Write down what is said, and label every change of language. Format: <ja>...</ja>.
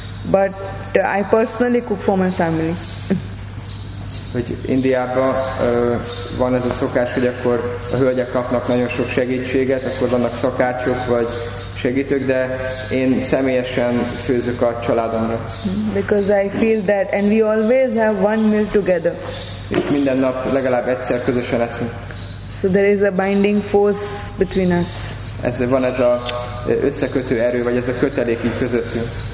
<en>But I personally cook for my family.</en> <hu>Hogy Indiában van ez a szokás, hogy akkor a hölgyek kapnak nagyon sok segítséget, akkor vannak szakácsok vagy segítők, de én személyesen főzök a családomra.</hu> <en>Because I feel that, and we always have one meal together.</en> <hu>És minden nap legalább egyszer közösen eszünk.</hu> <en>So there is a binding force between us.</en> <hu>Ez van ez a összekötő erő, vagy ez a kötelék így közöttünk.</hu>